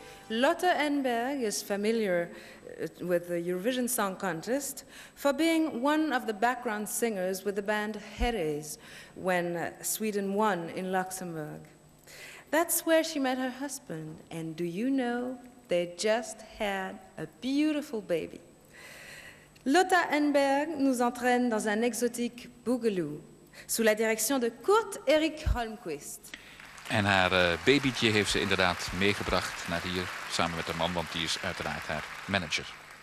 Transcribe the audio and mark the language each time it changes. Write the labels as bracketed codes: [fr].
[en] Lotta Engberg is familiar with the Eurovision Song Contest for being one of the background singers with the band Herres when Sweden won in Luxembourg. That's where she met her husband, and do you know, they just had a beautiful baby. [fr] Lotta Engberg nous entraîne dans un exotique boogaloo sous la direction de Kurt Erik Holmquist. [nl] En haar babytje heeft ze inderdaad meegebracht naar hier, samen met haar man, want die is uiteraard haar manager.